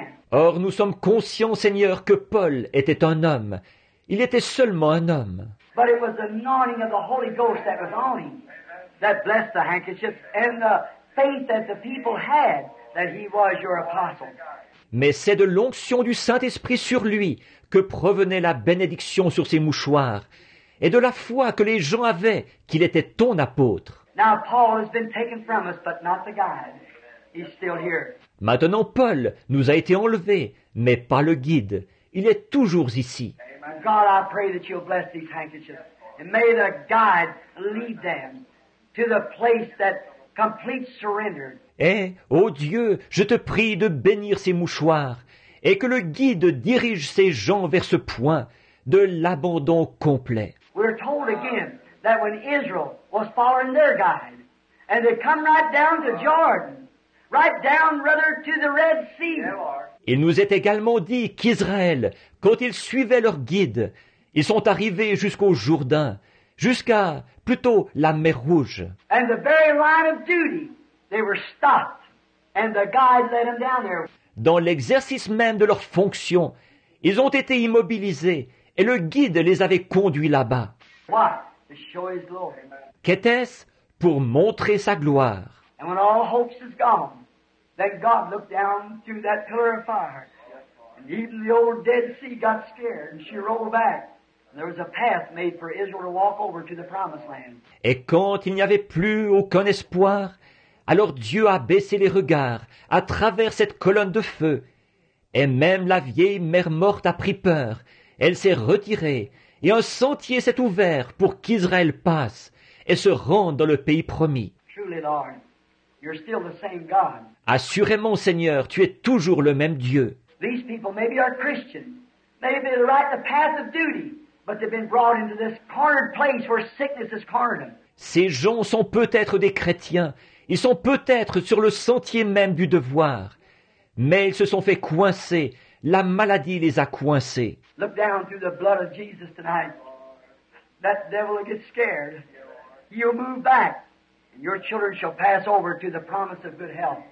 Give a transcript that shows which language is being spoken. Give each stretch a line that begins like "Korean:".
French: Or, nous sommes conscients, Seigneur, que Paul était un homme. Il était seulement un homme.
English: But it was the anointing of the Holy Ghost that was on him that blessed the handkerchiefs and the faith that the people had that he was your apostle.
French: Mais c'est de l'onction du Saint-Esprit sur lui que provenait la bénédiction sur ses mouchoirs et de la foi que les gens avaient qu'il était ton apôtre.
English: Now Paul has been taken from us, but not the guide. He's still here.
French: Maintenant Paul nous a été enlevé, mais pas le guide. Il est toujours ici.
English: God, I pray that you'll bless these handkerchiefs. And may the guide lead them to the place that complete surrender.
French: Eh, ô Dieu, je te prie de bénir ces mouchoirs et que le guide dirige ces gens vers ce point de l'abandon complet.
English: We're told again that when Israel was following their guide and they come right down to Jordan, right down rather to the Red Sea.
French: Il nous est également dit qu'Israël, quand ils suivaient leur guide, ils sont arrivés jusqu'au Jourdain, jusqu'à, plutôt, la mer Rouge.
English: And the very line of duty, they were stopped, and the guide led them down there.
French: Dans l'exercice même de leur fonction, ils ont été immobilisés, et le guide les avait conduits là-bas.
English: What? To show his glory.
French: Qu'était-ce? Pour montrer sa gloire.
English: And when all hopes is gone, then God looked down through that pillar of fire. And even the old Dead Sea got scared, and she rolled back. And there was a path made for Israel to walk over to the Promised Land.
French: Et quand il n'y avait plus aucun espoir, alors Dieu a baissé les regards à travers cette colonne de feu. Et même la vieille mère morte a pris peur. Elle s'est retirée, et un sentier s'est ouvert pour qu'Israël passe et se rende dans le pays promis.
English: Truly, Lord, you're still the same God.
French: Assurément, Seigneur, tu es toujours le même Dieu.
English: These people maybe are Christians. Maybe they're right in the path of duty, but they've been brought into this cornered place where sickness has cornered them.
French: Ces gens sont peut-être des chrétiens. Ils sont peut-être sur le sentier même du devoir. Mais ils se sont fait coincer. La maladie les a coincés.
English: Look down through the blood of Jesus tonight. That devil will get scared. You'll move back. Your children shall pass over to the promise of good health.